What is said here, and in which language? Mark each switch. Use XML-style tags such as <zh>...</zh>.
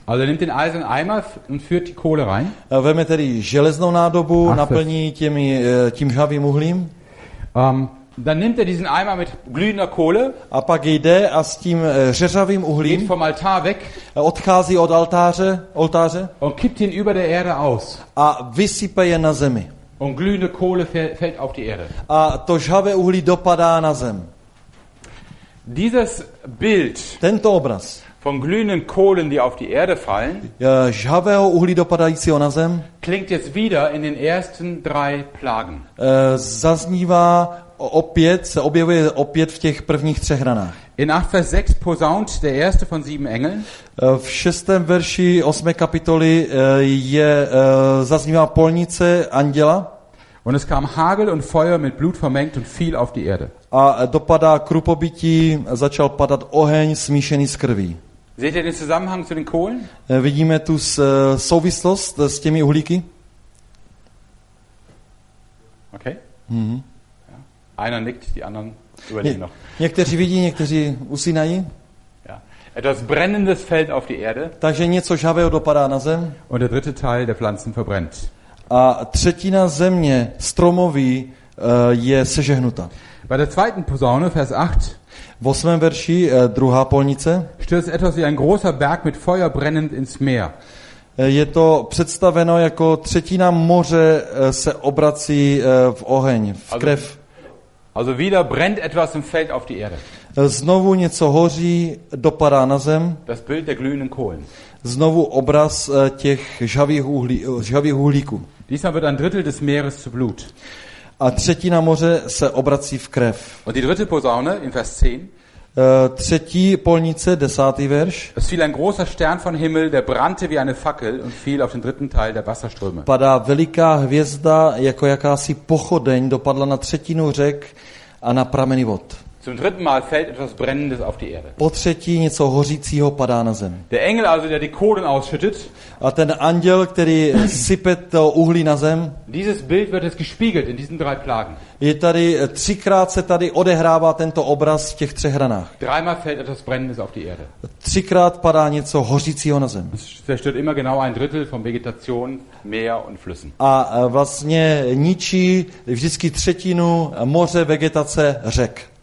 <de>Also nimmt den eisernen Eimer und führt die Kohle rein.</de> <cs>Vezme tedy železnou nádobu, naplní tím žhavým uhlím.</cs> <de>Dann nimmt er diesen Eimer mit glühender Kohle.</de> <cs>A pak jde a s tím řeřavým uhlím.</cs> <de>Geht vom Altar weg.</de> <cs>Odchází od oltáře.</cs> <de>Und kippt ihn über der Erde aus.</de> <cs>A vysype je na zemi.</cs> <de>Und glühende Kohle fällt auf die Erde.</de> <cs>A to žhavé uhlí dopadá na zem.</cs> <de>Dieses Bild.</de> <cs>Tento obraz.</cs> <de>Von glühenden Kohlen, die auf die Erde fallen.</de> <cs>Žhavého uhlí dopadajícího na zem.</cs> <de>Klingt jetzt wieder in den ersten drei Plagen.</de> <cs>Zaznívá opět, se objevuje opět v těch prvních třech ranách.</cs> <de>In 8 Vers 6 posaunt der erste von sieben Engeln.</de> <cs>V šestém verši 8. kapitoly je zaznívá polnice anděla.</cs> <de>Und es kam Hagel und Feuer mit Blut vermengt und fiel auf die Erde.</de> <cs>A dopadá krupobytí, začal padat oheň smíšený s krví.</cs> <de>Seht ihr den Zusammenhang zu den Kohlen?</de> <cs>Vidíme tu souvislost s těmi uhlíky. Okay. Mhm.</cs> <de>Einer nickt, die anderen überlegen noch.</de> <cs>Někteří vidí, někteří usínají. Ja.</cs> <de>Etwas brennendes fällt auf die Erde.</de> <cs>Takže něco žhavého dopadá na zem.</cs> <de>Und der dritte Teil der Pflanzen verbrennt.</de> <cs>A třetina země stromoví je sežehnuta.</cs> <de>Bei der zweiten Posaune, Vers 8.</de> <cs>V osmém verši, druhá polnice.</cs> <de>Stürzt etwas wie ein großer Berg mit Feuer brennend ins Meer.</de> <cs>Je to představeno jako třetina moře se obrací v oheň, v krev.</cs> <de>Also wieder brennt etwas im Feld auf die Erde.</de> <cs>Znovu něco hoří, dopadá na zem.</cs> <de>Das Bild der glühenden Kohlen.</de> <cs>Znovu obraz těch žhavých uhlíků.</cs> <de>Diesmal wird ein Drittel des Meeres zu Blut.</de> <cs>A třetina moře se obrací v krev.</cs> <de>Und die dritte Posaune in Vers 10.</de> <cs>Třetí polnice, desátý verš.</cs> <de>Es fiel ein großer Stern von Himmel, der brannte wie eine Fackel und fiel auf den dritten Teil der Wasserströme.</de> <cs>Padá veliká hvězda, jako jakási pochodeň, dopadla na třetinu řek a na prameny vod.</cs> <de>Zum dritten Mal fällt etwas brennendes auf die Erde.</de> <cs>Po třetí něco hořícího padá na zem.</cs> <de>Der Engel also, der die Kohlen ausschüttet,</de> <cs>a ten anděl, který sype to uhlí na zem.</cs> <de>Dieses Bild wird es gespiegelt in diesen drei Plagen.</de> <cs>Je tady třikrát se tady odehrává tento obraz v těch třech ranách.</cs> <de>Dreimal fällt etwas brennendes auf die Erde.</de> <cs>Třikrát padá něco hořícího na zem.</cs> <de>Zerstört immer genau ein Drittel von Vegetation, Meer und Flüssen.</de> <cs>A vlastně ničí vždycky třetinu moře, vegetace, řek.</cs>